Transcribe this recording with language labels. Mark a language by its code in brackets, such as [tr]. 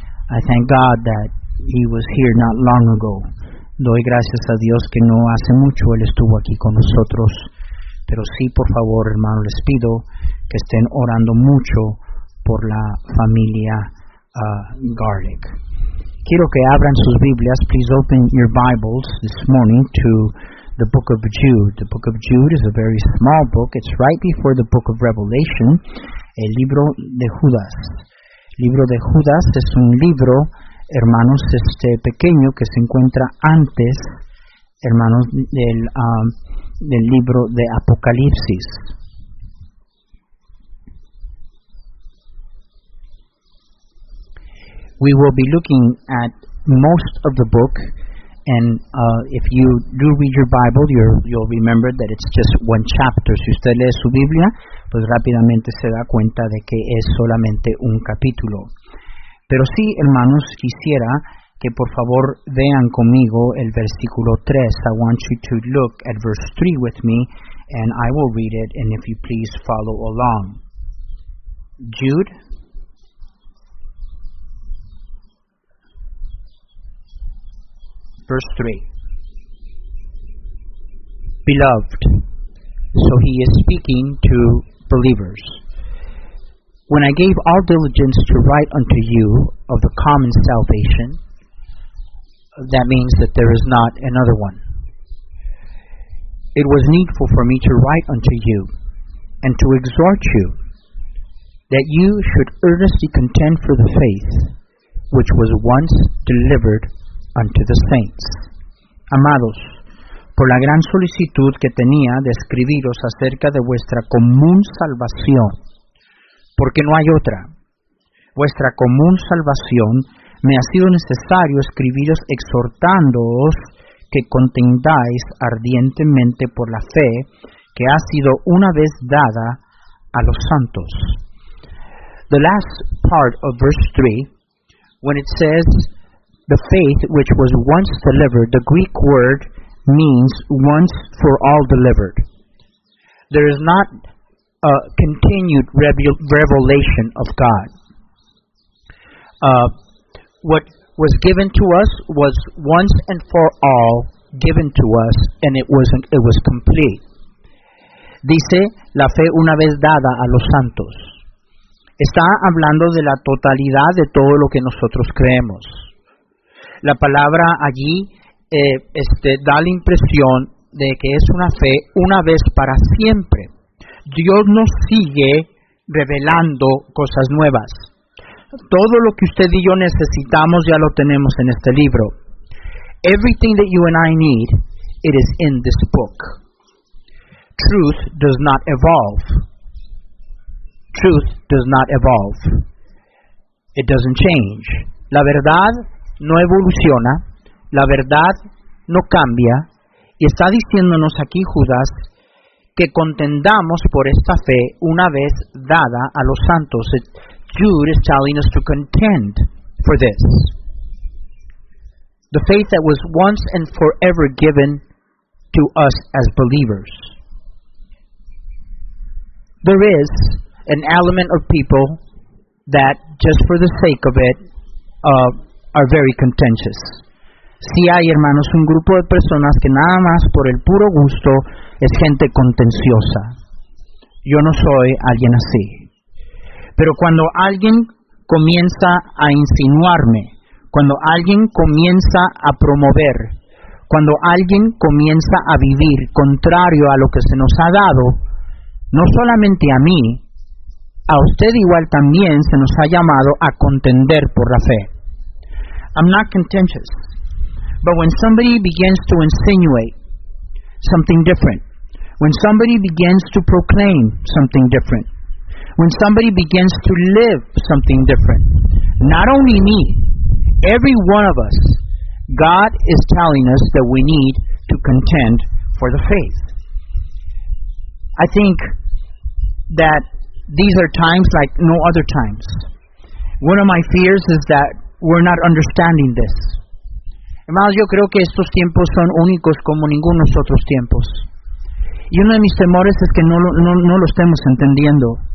[en] I thank God that he was here not long ago. [es] Doy gracias a Dios que no hace mucho él estuvo aquí con nosotros. Pero sí, por favor, hermano, les pido que estén orando mucho por la familia Garlick. Quiero que abran sus Biblias. [en] Please open your Bibles this morning to the book of Jude. The book of Jude is a very small book. It's right before the book of Revelation. [es] El libro de Judas. El libro de Judas es un libro, hermanos, pequeño, que se encuentra antes, hermanos, del libro de Apocalipsis. [en] We will be looking at most of the book, and if you do read your Bible, you'll remember that it's just one chapter. [es] Si usted lee su Biblia, pues rápidamente se da cuenta de que es solamente un capítulo. Pero sí, hermanos, quisiera que por favor vean conmigo el versículo 3. [en] I want you to look at verse 3 with me, and I will read it, and if you please follow along. Jude. Verse 3. Beloved, so he is speaking to believers. when I gave all diligence to write unto you of the common salvation, that means that there is not another one. It was needful for me to write unto you and to exhort you that you should earnestly contend for the faith which was once delivered unto the saints. [es] Amados, por la gran solicitud que tenía de escribiros acerca de vuestra común salvación, porque no hay otra, vuestra común salvación, me ha sido necesario escribiros exhortándoos que contendáis ardientemente por la fe que ha sido una vez dada a los santos. [en] The last part of verse 3, when it says the faith which was once delivered, the Greek word means once for all delivered. There is not a continued revelation of God. What was given to us was once and for all given to us, and it was complete. [es] Dice, la fe una vez dada a los santos. Está hablando de la totalidad de todo lo que nosotros creemos. La palabra allí da la impresión de que es una fe una vez para siempre. Dios nos sigue revelando cosas nuevas. Todo lo que usted y yo necesitamos ya lo tenemos en este libro. [en] Everything that you and I need, it is in this book. Truth does not evolve. Truth does not evolve. It doesn't change. [es] La verdad no evoluciona. La verdad no cambia. Y está diciéndonos aquí, Judas, que contendamos por esta fe una vez dada a los santos. [en] Jude is telling us to contend for this. The faith that was once and forever given to us as believers. There is an element of people that, just for the sake of it, are very contentious. [es] Sí hay, hermanos, un grupo de personas que nada más por el puro gusto es gente contenciosa. Yo no soy alguien así. Pero cuando alguien comienza a insinuarme, cuando alguien comienza a promover, cuando alguien comienza a vivir contrario a lo que se nos ha dado, no solamente a mí, a usted igual también se nos ha llamado a contender por la fe. [en] I'm not contentious. But when somebody begins to insinuate something different, when somebody begins to proclaim something different, when somebody begins to live something different, not only me, every one of us, God is telling us that we need to contend for the faith. I think that these are times like no other times. One of my fears is that we're not understanding this. [es] Hermanos, yo creo que estos tiempos son únicos como ningunos otros tiempos. Y uno de mis temores es que no lo estemos entendiendo.